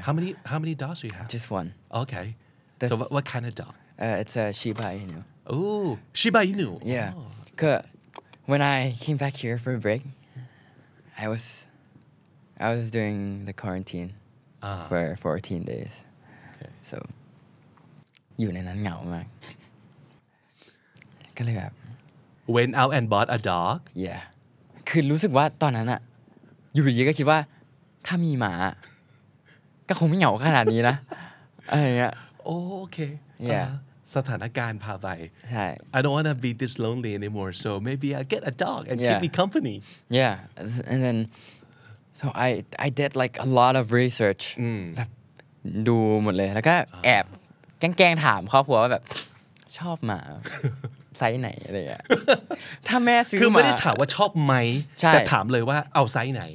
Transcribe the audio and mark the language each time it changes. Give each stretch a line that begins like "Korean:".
English: How many dogs do you have? Just one. Okay. So what kind of dog? It's a Shiba Inu. Oh, Shiba Inu. Yeah. Oh. When I came back here for a break, I was doing the quarantine for 14 days. Okay. So,
Thai: อยู่ในนั้นเหงามากก็เลยแบบ
English: went out and bought a dog. Yeah.
Thai: คือรู้สึกว่าตอนนั้นอะอยู่ดีก็คิดว่าถ้ามีหมาก็คงไม่เหงาขนาดนี้นะอะไรเงี้ย
English: Oh, okay. Yeah.
Thai: สถานการณ์พาไป ใช่
English: I don't want to be this lonely anymore so maybe I'll get a dog and keep me company yeah and then so I did like a lot of research
Thai: ดูหมดเลยแล้วก็แอบแกล้งถามครอบครัวว่าแบบชอบหมาไซส์ไหนอะไรอ่ะถ้าแม่ซื้อมา คือไม่ได้ถามว่าชอบไหมแต่ถามเลยว่าเอาไซส์ไหน